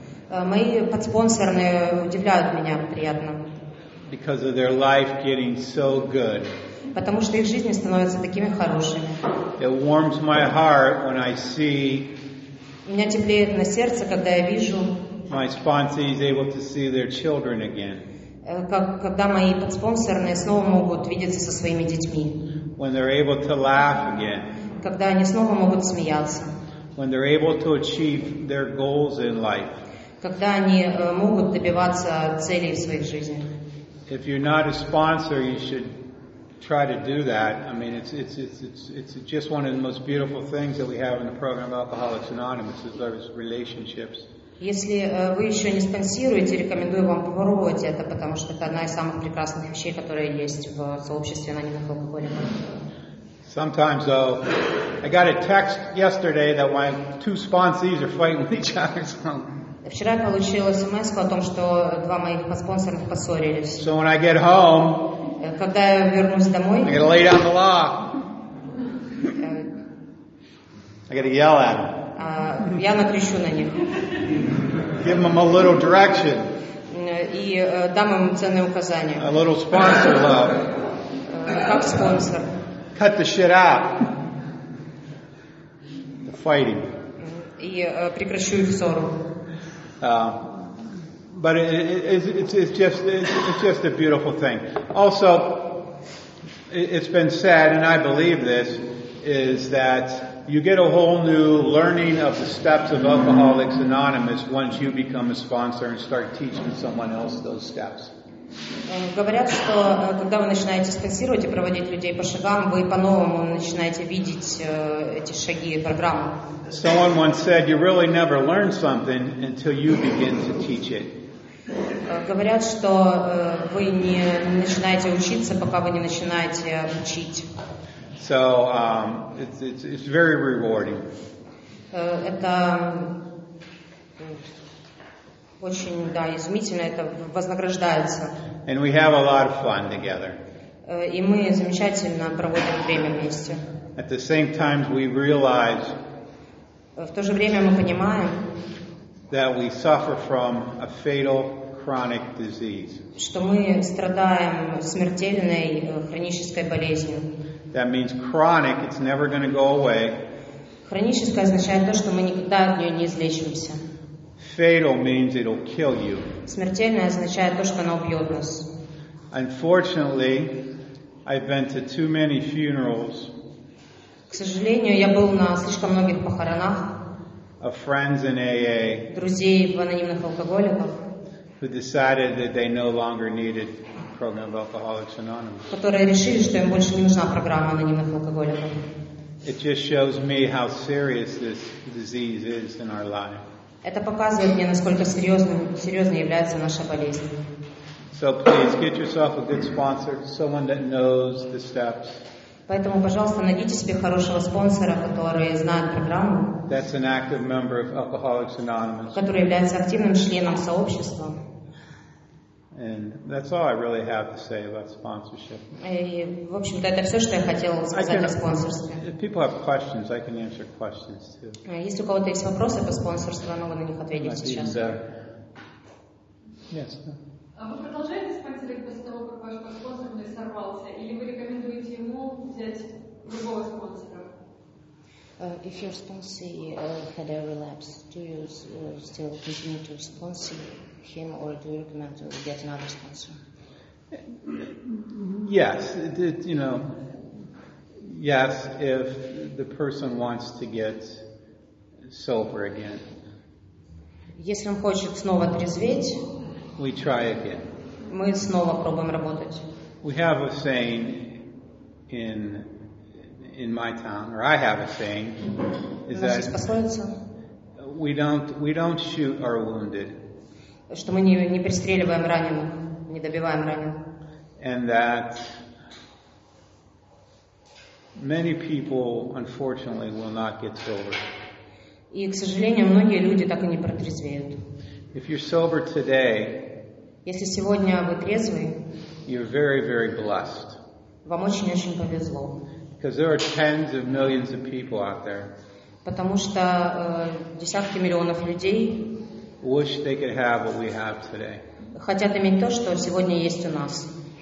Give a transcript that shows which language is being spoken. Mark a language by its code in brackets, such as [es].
[ru] Мои подспонсорные удивляют меня приятно. [en] Because of their life getting so good. [ru] Потому что их жизни становятся такими хорошими. [en] It warms my heart when I see. [ru] Меня теплеет на сердце, когда я вижу. [en] My sponsee is able to see their children again. [ru] Когда мои подспонсорные снова могут видеться со своими детьми. [en] When they're able to laugh again. [ru] Когда они снова могут смеяться. [en] When they're able to achieve their goals in life. [ru] Когда они могут добиваться целей в своих жизнях. [en] If you're not a sponsor, you should try to do that. I mean, it's just one of the most beautiful things that we have in the program Alcoholics Anonymous is our relationships. [ru] Если вы еще не спонсируете, рекомендую вам попробовать это, потому что это одна из самых прекрасных вещей, которые есть в сообществе анонимных алкоголиков. [en] Sometimes though, I got a text yesterday that my two sponsees are fighting with each other. [ru] Вчера я получила смс о том, что два моих подспонсорных поссорились. [en] So when I get home, [ru] когда я вернусь домой, [en] I gotta lay down the law. I gotta yell at them. [ru] Я накричу на них. [en] Give them a little direction. [ru] И дам им ценные указания. [en] A little sponsor love. [ru] Как спонсор. [en] Cut the shit out. The fighting. [ru] И прекращу их ссору. [en] But it's just a beautiful thing. Also, it's been said, and I believe this, is that you get a whole new learning of the steps of Alcoholics Anonymous once you become a sponsor and start teaching someone else those steps. [ru] Говорят, что когда вы начинаете спонсировать и проводить людей по шагам, вы по-новому начинаете видеть эти шаги и программу. [en] Someone once said, "You really never learn something until you begin to teach it." [ru] Говорят, что вы не начинаете учиться, пока вы не начинаете учить. [en] So it's very rewarding. [ru] Это очень, да, изумительно, это вознаграждается. [en] And we have a lot of fun together. [ru] И мы замечательно проводим время вместе. [en] At the same time, we realize. [ru] В то же время мы понимаем, [en] that we suffer from a fatal chronic disease. [ru] Что мы страдаем смертельной хронической болезнью. [en] That means chronic, it's never going to go away. [ru] Хроническое означает то, что мы никогда от нее не излечимся. [en] Fatal means it'll kill you. [ru] Смертельное означает то, что она убьет нас. [en] Unfortunately, I've been to too many funerals. [ru] К сожалению, я был на слишком многих похоронах. [en] Of friends in AA. [ru] Друзей в анонимных алкоголиках. [en] Who decided that they no longer needed program of Alcoholics Anonymous. [ru] Которые решили, что им больше не нужна программа анонимных алкоголиков. [en] It just shows me how serious this disease is in our life. [ru] Это показывает мне, насколько серьезной является наша болезнь. [en] So please get yourself a good sponsor, someone that knows the steps. [ru] Поэтому, пожалуйста, найдите себе хорошего спонсора, который знает программу. [en] That's an active member of Alcoholics Anonymous. [ru] Который является активным членом сообщества. [en] And that's all I really have to say about sponsorship. [ru] И, в общем-то, это все, что я хотел сказать о спонсорстве. [en] If people have questions, I can answer questions too. [ru] Если у кого-то есть вопросы по спонсорству, могу на них ответить сейчас. [en] Yes. [ru] А вы продолжаете спонсировать после того, как ваш спонсор не сорвался, или вы рекомендуете ему взять другого спонсора? [en] If your sponsor had a relapse, do you still continue to sponsor him, or do you recommend to get another sponsor? Yes, yes, if the person wants to get sober again. [ru] Если он хочет снова трезветь, [en] we try again. [ru] Мы снова пробуем работать. [en] We have a saying in my town, or I have a saying, is that we don't shoot our wounded. [ru] Что мы не пристреливаем раненых, не добиваем раненых. И, к сожалению, многие люди так и не протрезвеют. [en] If you're sober today, [ru] если сегодня вы трезвый, [en] you're very, very blessed. [ru] Вам очень-очень повезло. [en] Because there are tens of millions of people out there. [ru] Потому что десятки миллионов людей [en] wish they could have what we have today. [ru] Хотят иметь то, что сегодня есть у нас.